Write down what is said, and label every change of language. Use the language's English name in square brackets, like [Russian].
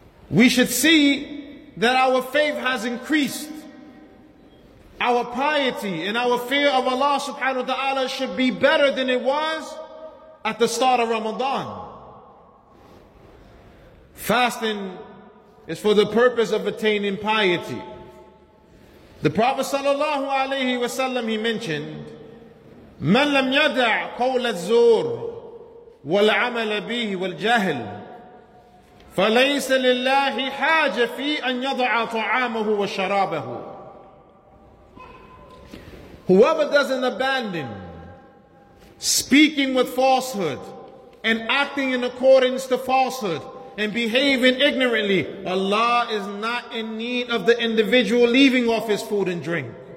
[English] We should see that our faith has increased. Our piety and our fear of Allah subhanahu wa ta'ala should be better than it was at the start of Ramadan. Fasting is for the purpose of attaining piety. The Prophet sallallahu alayhi wa sallam, he mentioned, [Arabic] مَنْ لَمْ يَدَعْ قَوْلَ الزُّورِ وَالْعَمَلَ بِهِ وَالْجَهِلِ فَلَيْسَ لِلَّهِ حَاجَ فِي أَنْ يَضَعَ طَعَامَهُ وَشَرَابَهُ. [English] Whoever doesn't abandon speaking with falsehood and acting in accordance to falsehood and behaving ignorantly, Allah is not in need of the individual leaving off his food and drink.